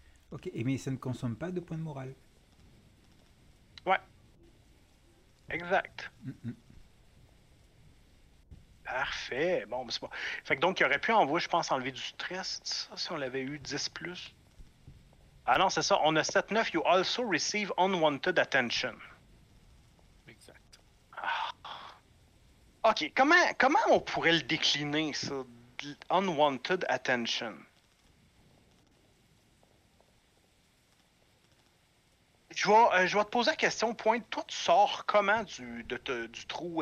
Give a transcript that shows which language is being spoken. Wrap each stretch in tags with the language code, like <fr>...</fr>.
<fr>OK, mais ça ne consomme pas de points de morale. Ouais. Exact. Mm-mm. Parfait. Bon, c'est bon. Fait que donc, il aurait pu en voir, je pense, enlever du stress, ça, si on l'avait eu 10 plus. Ah non, c'est ça. On a 7-9.</fr> <en>You also receive unwanted attention.</en> <fr>Exact. Ah. OK. Comment on pourrait le décliner, ça?</fr> <en>Unwanted attention.</en> <fr>Je vais te poser la question. Pointe, toi, tu sors comment du trou?</fr>